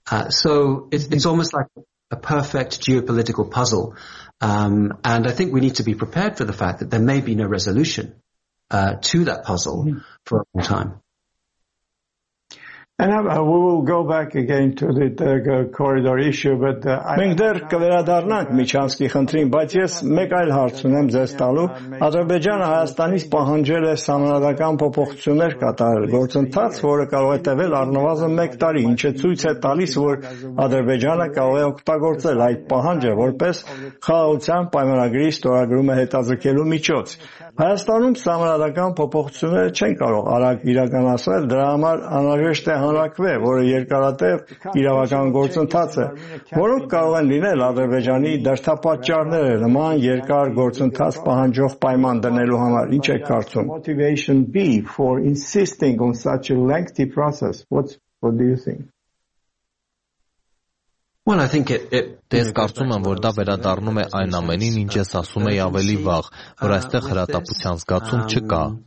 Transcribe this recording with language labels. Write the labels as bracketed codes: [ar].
[en] So it's almost like a perfect geopolitical puzzle, and I think we need to be prepared for the fact that there may be no resolution to that puzzle for a long time. And we will go back again to the corridor issue, but [hy] մենք դեռ կվերադառնանք Միջանցքի խնդրին, բայց ես մեկ այլ հարց ունեմ ձեզ տալու։ Ադրբեջանը Հայաստանից պահանջել է սահմանադրական փոփոխություններ կատարել, գործընթաց, որը կարող է տևել առնվազն 1 տարի, ինչը ցույց է տալիս, որ Ադրբեջանը կարող է օգտագործել այդ պահանջը որպես խաղաղության պայմանագրի ստորագրումը հետաձգելու միջոց։ Հայաստանում սահմանադրական փոփոխությունները չեն կարող արագ իրականացվել, դրա համար անհրաժեշտ հանրակվե, որը երկարատև իրավական գործընթաց է, որոնք կարող են լինել Ադրբեջանի դաշտապատճառները նման երկար գործընթաց պահանջող պայման դնելու համար։ Ինչ եք կարծում? [en] Motivation B for insisting on such a lengthy process. What do you think? Well, I think [hy] ես կարծում եմ, որ դա վերադառնում է այն ամենին, ինչ ես ասում եի ավելի վաղ, որ այստեղ հրատապության զգացում չկա։